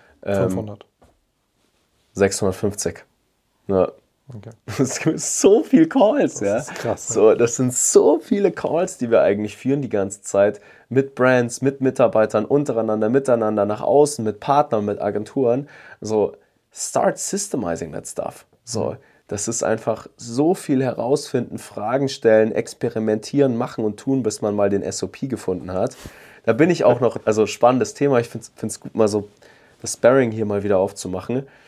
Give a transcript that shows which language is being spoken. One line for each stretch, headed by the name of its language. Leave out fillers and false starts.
German: 500. 650. Ja. Okay. Es gibt so viele Calls. Das ist krass. So, das sind so viele Calls, die wir eigentlich führen die ganze Zeit. Mit Brands, mit Mitarbeitern, untereinander, miteinander, nach außen, mit Partnern, mit Agenturen.
English: So, start systemizing that stuff.
German: So, das ist einfach so viel herausfinden, Fragen stellen, experimentieren, machen und tun, bis man mal den SOP gefunden hat. Da bin ich auch noch, also spannendes Thema, ich finde es gut, mal so das Sparring hier mal wieder aufzumachen.